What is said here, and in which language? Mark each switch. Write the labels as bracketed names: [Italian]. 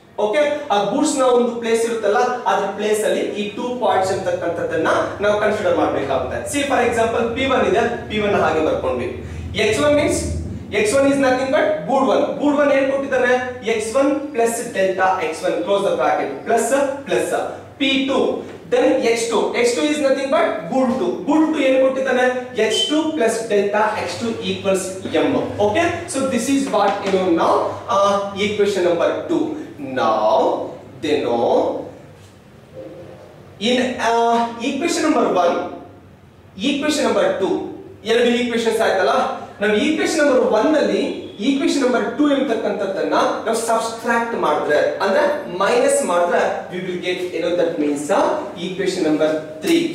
[Kannada] Okay ಆ goods ನ ಒಂದು ಪ್ಲೇಸ್ ಇರುತ್ತಲ್ಲ ಅದರ ಪ್ಲೇಸ್ ಅಲ್ಲಿ ಈ ಟೂ ಪಾಯಿಂಟ್ಸ್ ಅಂತಕ್ಕಂಥದ್ದನ್ನ ನಾವು ಕನ್ಸಿಡರ್ ಮಾಡಬೇಕಾಗುತ್ತೆ. ಸಿ ಫಾರ್ ಎಕ್ಸಾಂಪಲ್ P1 ಇದೆ, P1 ಹಾಗೆ ಬರ್ಕೊಂಡ್ವಿ. [English] X1 means X1 is nothing but good 1 [Kannada] ಏನ್ ಕೊಟ್ಟಿದ್ದಾರೆ, [English] X1 plus delta X1 close the bracket plus plus P2 then x2 x2 is nothing but good 2 good 2 [Kannada] yen kottidane [English] x2 plus delta x2 equals m. Okay, so this is what you know now equation number 2. Now they know in equation number 1 equation number 2 [Kannada] ಎರಡು equations ಆಯ್ತಲ್ಲ, ನಾವು equation number 1 ನಲ್ಲಿ equation number 2 ಎಂತಕ್ಕಂತದನ್ನ ನಾವು subtract ಮಾಡಿದ್ರೆ ಅಂದ್ರೆ minus ಮಾಡಿದ್ರೆ [English] we will get [Kannada] ಏನೋ that means equation number 3.